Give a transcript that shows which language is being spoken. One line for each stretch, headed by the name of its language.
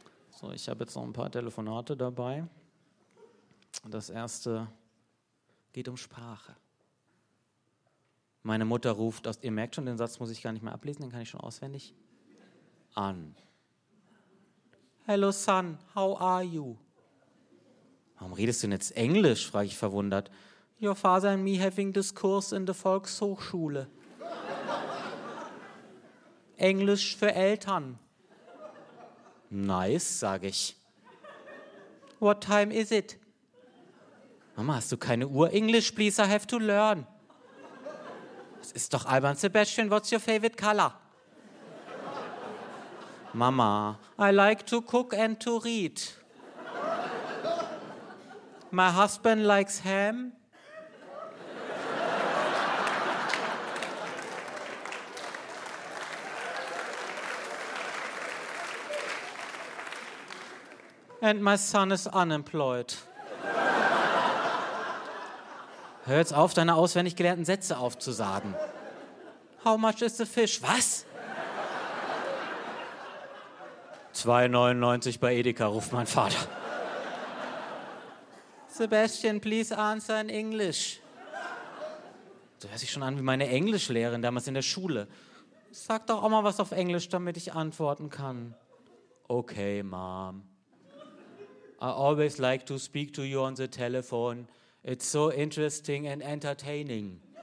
German: So, ich habe jetzt noch ein paar Telefonate dabei. Das erste geht um Sprache. Meine Mutter ruft aus, ihr merkt schon, den Satz muss ich gar nicht mehr ablesen, den kann ich schon auswendig, an.
English: Hello son, how are you?
German: Warum redest du denn jetzt Englisch, frage ich verwundert.
English: Your father and me having this course in the Volkshochschule.
German: Englisch für Eltern. Nice, sage ich.
English: What time is it?
German: Mama, hast du keine Uhr?
English: English, please, I have to learn.
German: Das ist doch albern.
English: Sebastian, what's your favorite color?
German: Mama.
English: I like to cook and to read. My husband likes ham. And my son is unemployed.
German: Hör jetzt auf, deine auswendig gelernten Sätze aufzusagen.
English: How much is the fish?
German: Was? 2,99 bei Edeka, ruft mein Vater.
English: Sebastian, please answer in English.
German: So hört sich schon an wie meine Englischlehrerin damals in der Schule. Sag doch auch mal was auf Englisch, damit ich antworten kann.
English: Okay, Mom. I always like to speak to you on the telephone. It's so interesting and entertaining.